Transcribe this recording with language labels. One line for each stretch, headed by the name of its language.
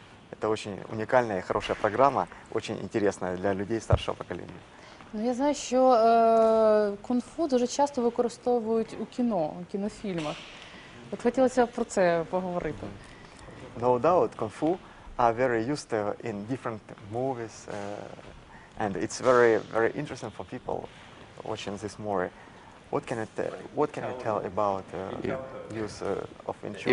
Russian: Это очень уникальная и хорошая программа, очень интересная для людей старшего поколения.
Ukrainian: Ну, я знаю, що кунг-фу дуже часто використовують у кіно, у кінофільмах. От хотілося про це поговорити.
English: No doubt, кунг-фу are very used in different movies, and it's very, very interesting for people watching this movie. What can I tell about use of Wing Chun?